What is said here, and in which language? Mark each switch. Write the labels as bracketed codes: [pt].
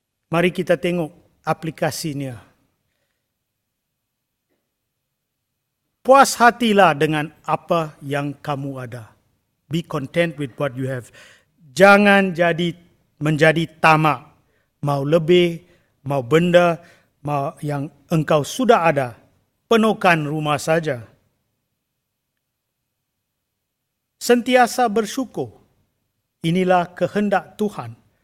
[ms] Mari kita tengok aplikasinya. Puas hatilah dengan apa yang kamu ada. [en] Be content with what you have. [ms] Jangan menjadi tamak. Mau lebih, mau benda, mau yang engkau sudah ada. Penuhkan rumah saja. Sentiasa bersyukur. Inilah kehendak Tuhan.